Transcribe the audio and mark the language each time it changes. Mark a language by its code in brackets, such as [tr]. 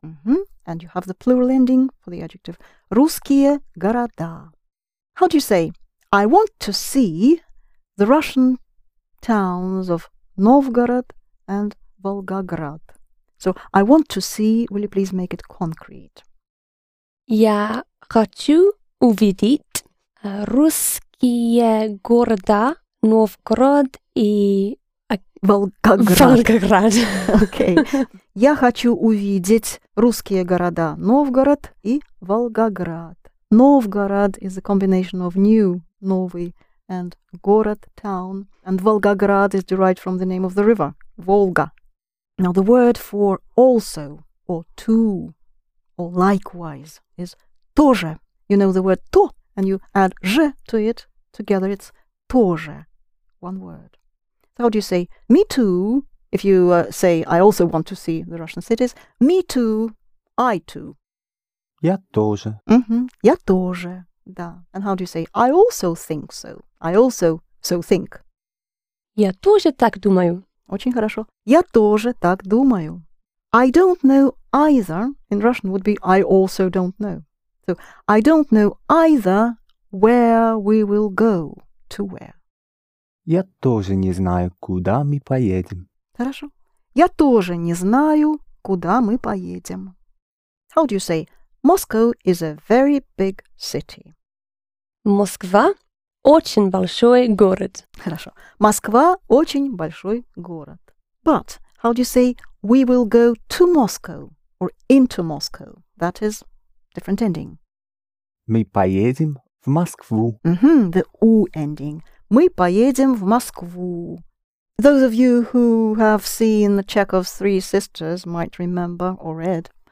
[en] Mm-hmm. And you have the plural ending for the adjective. [ru] Русские города. [en] How do you say, I want to see the Russian towns of Novgorod and Volgograd? So, I want to see, will you please make it concrete? [ru] Я хочу увидеть русские города Новгород и Волгоград. Okay. Я хочу увидеть русские города Новгород и Волгоград. [en] Novgorod is a combination of new, Novy, and Gorod, town. And Volgograd is derived from the name of the river, Volga. Now, the word for also, or to, or likewise, is тоже. You know the word то, and you add же to it, together it's тоже, one word. So how do you say, me too, if you say, I also want to see the Russian cities, me too, I too. [ru] Я тоже. Mm-hmm. Я тоже, да. [en] And how do you say, I also think so? I also so think. [ru] Я тоже так думаю. Очень хорошо. Я тоже так думаю. [en] I don't know either, in Russian would be, I also don't know. So, I don't know either where we will go, to where. [ru] Я тоже не знаю, куда мы поедем. Хорошо. Я тоже не знаю, куда мы поедем. [en] How do you say, Moscow is a very big city. [ru] Москва очень большой город. Хорошо. Москва очень большой город. [en] But how do you say we will go to Moscow or into Moscow? That is different ending. [ru] Мы поедем в Москву. [en] Mm-hmm, the U ending. [ru] Мы поедем в Москву. [en] Those of you who have seen the Chekhov's Three Sisters might remember or read.